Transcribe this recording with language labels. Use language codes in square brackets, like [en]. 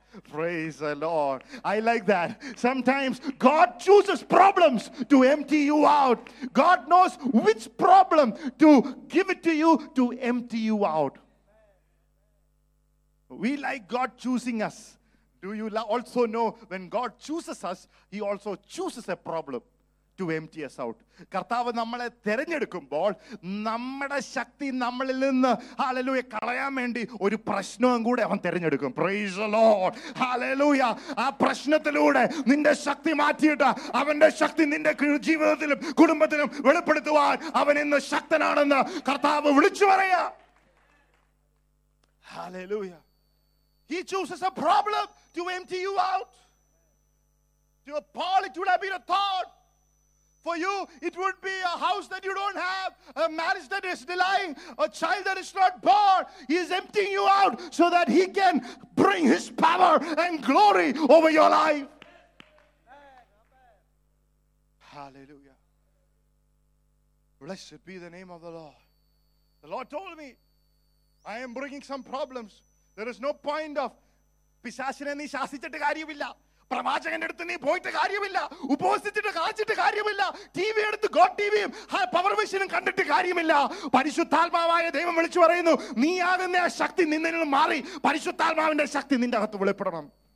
[en] Praise the Lord. I like that. Sometimes God chooses problems to empty you out. God knows which problem to give it to you to empty you out. We like God choosing us. Do you also know when God chooses us, he also chooses a problem to empty us out. [ml] കർത്താവ് നമ്മളെ തിരഞ്ഞെടുക്കുമ്പോൾ നമ്മുടെ ശക്തി നമ്മളിൽ നിന്ന് hallelujah കളയാൻ വേണ്ടി ഒരു പ്രശ്നവും കൂടെ അവൻ തിരഞ്ഞെടുക്കും. [en] praise the Lord, [ml] hallelujah. ആ പ്രശ്നത്തിലൂടെ നിന്റെ ശക്തി മാറ്റിയിട്ട് അവന്റെ ശക്തി നിന്റെ ജീവിതത്തിലും കുടുംബത്തിലും വെളിപ്പെടുത്തുവാൻ അവൻ ഇന്ന് ശക്തനാണെന്ന് കർത്താവ് വിളിച്ചു പറയാ. Hallelujah. [en] He chooses a problem to empty you out. To a Paul, it would have been a thought. For you, it would be a house that you don't have, a marriage that is delaying, a child that is not born. He is emptying you out so that he can bring his power and glory over your life. Hallelujah. Blessed be the name of the Lord. The Lord told me, I am bringing some problems. There is no point of [ml] pisasine ni shasichittu kaariyilla. പ്രവാചകന്റെ അടുത്ത് നീ പോയിട്ട് കാര്യമില്ല, ഉപവസിച്ചിട്ട് കാച്ചിട്ട് കാര്യമില്ല, T V എടുത്ത് God T വിയും power മെഷീനും കണ്ടിട്ട് കാര്യമില്ല. പരിശുദ്ധാത്മാവായ ദൈവം വിളിച്ചു പറയുന്നു, നീ ആകുന്ന ആ ശക്തി നിന്നിൽ നിന്ന് മാറി പരിശുദ്ധാത്മാവിന്റെ ശക്തി നിന്റെ അകത്ത് വെളിപ്പെടണം.